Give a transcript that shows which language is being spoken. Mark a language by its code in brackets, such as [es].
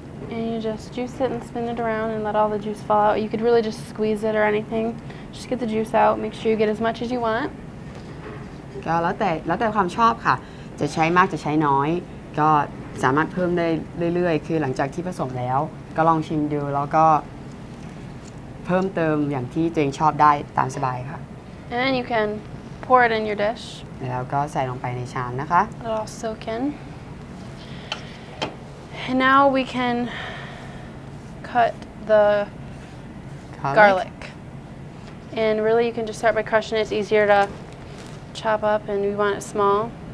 [en] And you just juice it and spin it around and let all the juice fall out. You could really just squeeze it or anything. Just get the juice out. Make sure you get as much as you want. [th] ก็แล้วแต่ความชอบค่ะจะใช้มากจะใช้น้อยก็สามารถเพิ่มได้เรื่อยๆคือหลังจากที่ผสมแล้วก็ลองชิมดูแล้วก็เพิ่มเติมอย่างที่ตัวเองชอบได้ตามสบายค่ะ [en] And then you can pour it in your dish [th] แล้วก็ใส่ลงไปในชามนะคะ [en] It all soak in And now we can cut the garlic And really you can just start by crushing it. It's easier toChop up, and we want it small.